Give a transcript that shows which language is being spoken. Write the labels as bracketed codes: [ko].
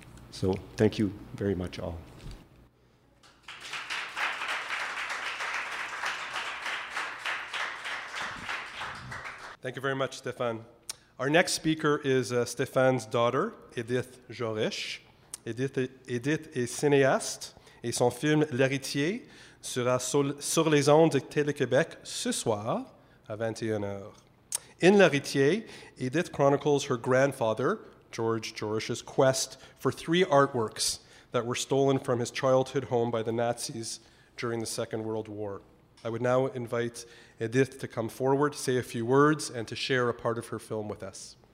[en] So thank you very much all. Thank you very much, Stéphane. Our next speaker is Stéphane's daughter, Edith Jorich. [fr] Edith est cinéaste et son film L'Héritier sera sur les ondes de Télé-Québec ce soir à 21h. [en] In L'Héritier, Edith chronicles her grandfather, George Jorich's quest for three artworks that were stolen from his childhood home by the Nazis during the Second World War. I would now invite Edith to come forward, say a few words, and to share a part of her film with us.